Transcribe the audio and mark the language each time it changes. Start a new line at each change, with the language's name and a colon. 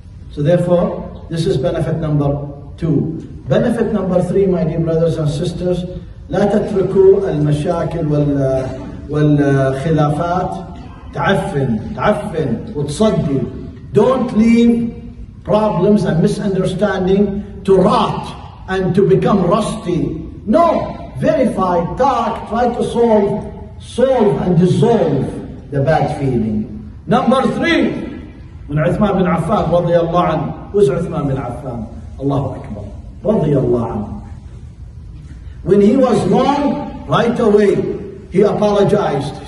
English: So therefore, this is benefit number two. Benefit number three, my dear brothers and sisters,
Arabic: لا تتركوا المشاكل والخلافات تعفن وتصدي.
English: Don't leave problems and misunderstanding to rot and to become rusty. No, verify, talk, try to solve and dissolve the bad feeling. Number three,
Arabic: من عثمان بن عفان رضي الله عنه.
English: Who's
Arabic: عثمان بن عفان؟ الله أكبر. رضي الله عنه.
English: When he was wrong, right away, he apologized.